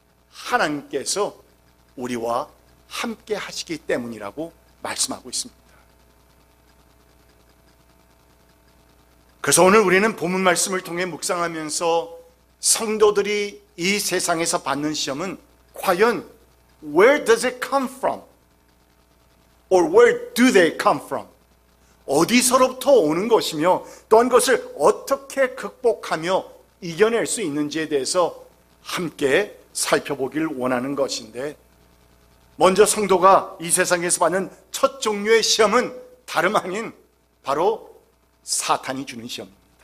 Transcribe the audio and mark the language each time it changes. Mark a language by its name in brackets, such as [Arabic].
[Korean] 하나님께서 우리와 함께 하시기 때문이라고 말씀하고 있습니다. 그래서 오늘 우리는 본문 말씀을 통해 묵상하면서 성도들이 이 세상에서 받는 시험은 과연 [English] Where does it come from? Or where do they come from? [Korean] 어디서부터 오는 것이며 또한 그것을 어떻게 극복하며 이겨낼 수 있는지에 대해서 함께 살펴보길 원하는 것인데 먼저 성도가 이 세상에서 받는 첫 종류의 시험은 다름 아닌 바로 사탄이 주는 시험입니다.